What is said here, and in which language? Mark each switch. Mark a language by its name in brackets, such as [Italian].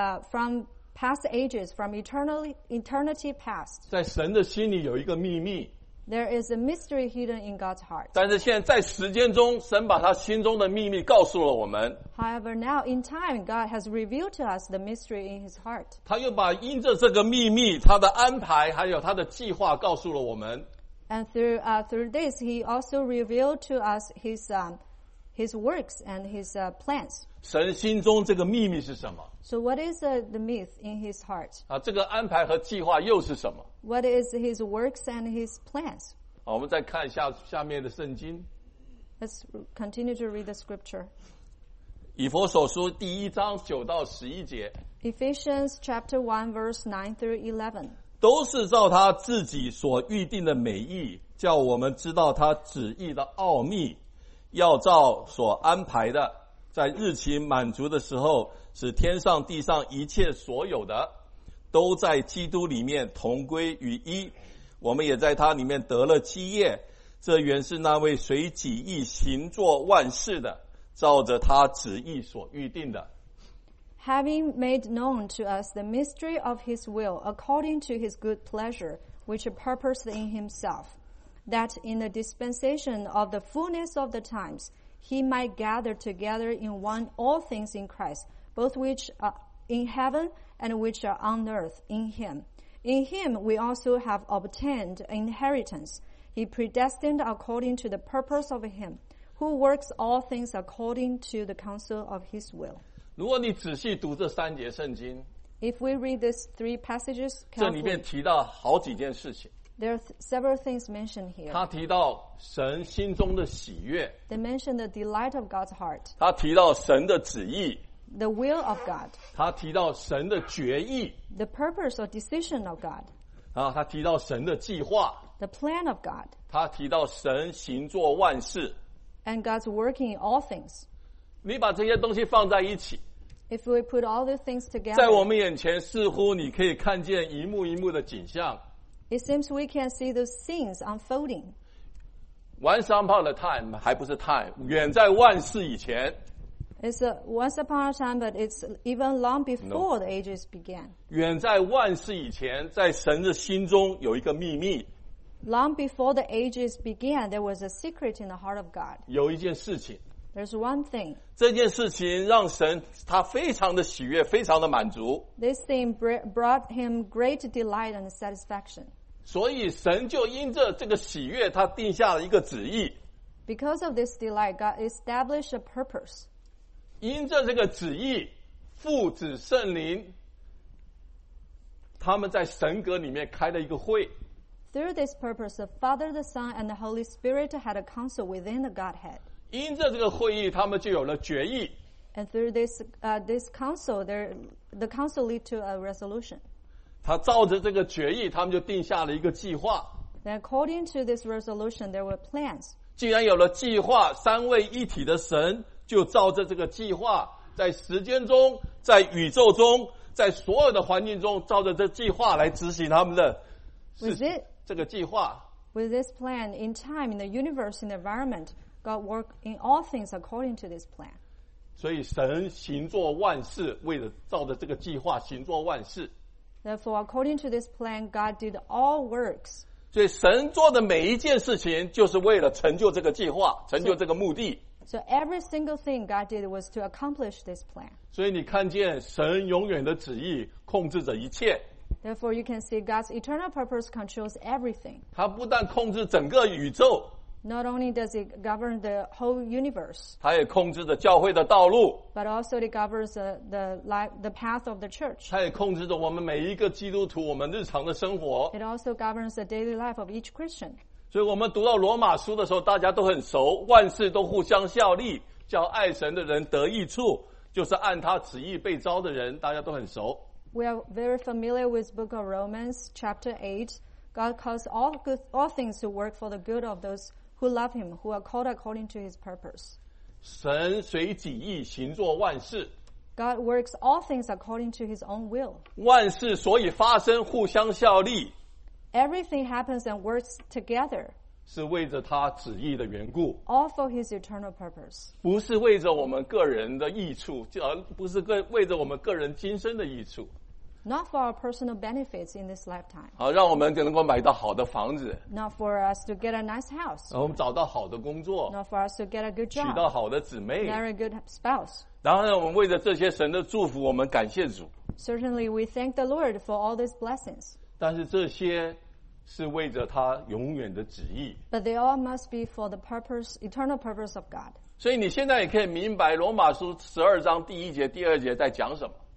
[English] from past ages, from eternity past. [Chinese] 在神的心里有一个秘密。 [English] There is a mystery hidden in God's heart. [Chinese] 但是现在在时间中，神把他心中的秘密告诉了我们。 [English] However, now in time, God has revealed to us the mystery in His heart. [Chinese] 他又把因着这个秘密，他的安排还有他的计划告诉了我们。 [English] And through this, He also revealed to us His works and His plans. [Chinese] 神心中这个秘密是什么？ [English] So what is the myth in His heart? [Chinese] 啊，这个安排和计划又是什么？ [English] What is His works and His plans? [Chinese] 好，我们再看一下下面的圣经。 [English] Let's continue to read the scripture. [Chinese] 以弗所书第一章九到十一节。 [English] Ephesians chapter 1 verse 9 through 11. [Chinese] 都是照他自己所预定的美意，叫我们知道他旨意的奥秘，要照所安排的，在日期满足的时候，使天上地上一切所有的都在基督里面同归于一，我们也在他里面得了基业。这原是那位随己意行作万事的，照着他旨意所预定的。 [English] Having made known to us the mystery of his will according to his good pleasure, which purposed in himself, that in the dispensation of the fullness of the times he might gather together in one all things in Christ, both which are in heaven and which are on earth in Him. In Him we also have obtained inheritance, He predestined according to the purpose of Him, who works all things according to the counsel of His will. [Chinese] 如果你仔细读这三节圣经， [English] If we read these three passages carefully, [Chinese] 这里面提到好几件事情。 [English] There are several things mentioned here. [Chinese] 他提到神心中的喜悦。 [English] They mention the delight of God's heart. [Chinese] 他提到神的旨意。 [English] The will of God. [Chinese] 他提到神的决意。 [English] The purpose or decision of God. [Chinese] 啊，他提到神的计划。 [English] The plan of God. [Chinese] 他提到神行作万事。 [English] And God's working in all things. [Chinese] 你把这些东西放在一起。 [English] If we put all the things together. [Chinese] 在我们眼前似乎你可以看见一幕一幕的景象。 [English] It seems we can see those scenes unfolding. Once upon a time, [Chinese] 还不是 [English] time, [Chinese] 远在万事以前。 [English] It's a once upon a time, but it's even long before the ages began. [Chinese] 远在万世以前，在神的心中有一个秘密。 [English] Long before the ages began, there was a secret in the heart of God. [Chinese] 有一件事情。 [English] There's one thing. [Chinese] 这件事情让神他非常的喜悦，非常的满足。 [English] This thing brought him great delight and satisfaction. [Chinese] 所以神就因着这个喜悦，他定下了一个旨意。 [English] Because of this delight, God established a purpose. [Chinese] 因着这个旨意，父子圣灵他们在神阁里面开了一个会。 [English] Through this purpose, the Father, the Son, and the Holy Spirit had a council within the Godhead. [Chinese] 因着这个会议，他们就有了决议。 [English] And through this, this council, the council lead to a resolution. [Chinese] 他照着这个决议，他们就定下了一个计划。 [English] And according to this resolution, there were plans. [Chinese] 既然有了计划，三位一体的神就照着这个计划，在时间中，在宇宙中，在所有的环境中，照着这计划来执行他们的这个计划。 [English] With this plan in time, in the universe, in the environment, God worked in all things according to this plan. [Chinese] 所以神行作万事，为了照着这个计划行作万事。 [English] Therefore, according to this plan, God did all works. [Chinese] 所以神做的每一件事情，就是为了成就这个计划，成就这个目的。 [English] So every single thing God did was to accomplish this plan. [Chinese] 所以你看见神永远的旨意控制着一切。 [English] Therefore, you can see God's eternal purpose controls everything. [Chinese] 他不但控制整个宇宙。 [English] Not only does it govern the whole universe. [Chinese] 他也控制着教会的道路。 [English] But also it governs the path of the church. [Chinese] 他也控制着我们每一个基督徒我们日常的生活。 [English] It also governs the daily life of each Christian. [Chinese] 所以我们读到罗马书的时候大家都很熟，万事都互相效力，叫爱神的人得益处，就是按他旨意被召的人，大家都很熟。 [English] We are very familiar with book of Romans chapter 8. God caused all things to work for the good of those who love him, who are called according to his purpose. [Chinese] 神随己意行作万事。 [English] God works all things according to his own will. [Chinese] 万事所以发生互相效力。 [English] Everything happens and works together. [Chinese] 是为着他旨意的缘故 [English] ，all for his eternal purpose， [Chinese] 不是为着我们个人的益处，不是为着我们个人今生的益处 [English] ，not for our personal benefits in this lifetime， [Chinese] 好，让我们能够买到好的房子 [English] ，not for us to get a nice house， [Chinese] 让我们找到好的工作 [English] ，not for us to get a good job， [Chinese] 娶到好的姊妹 [English] ，marry a good spouse， [Chinese] 然后呢，我们为着这些神的祝福，我们感谢主 [English] ，certainly we thank the Lord for all these blessings， [Chinese] 但是这些。是为着他永远的旨意。 [English] But they all must be for the purpose, eternal purpose of God. [Chinese] 所以你现在也可以明白罗马书十二章第一节、第二节在讲什么。